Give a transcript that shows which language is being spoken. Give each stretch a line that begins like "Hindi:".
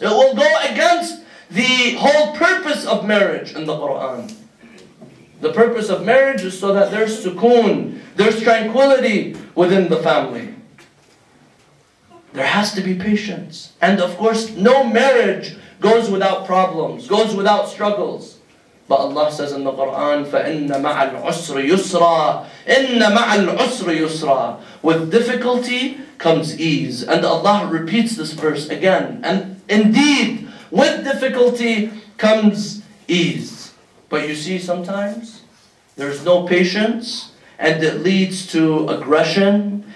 English: It will go against the whole purpose of marriage in the Quran. The purpose of marriage is so that there's sukoon, there's tranquility within the family. There has to be patience. And of course, no marriage goes without problems, goes without struggles. But Allah says in the Quran,
Arabic: فَإِنَّ مَعَ الْعُسْرِ يُسْرًا إِنَّ مَعَ الْعُسْرِ يُسْرًا.
English: With difficulty comes ease. And Allah repeats this verse again. And indeed, with difficulty comes ease. But you see, sometimes there's no patience and it leads to aggression.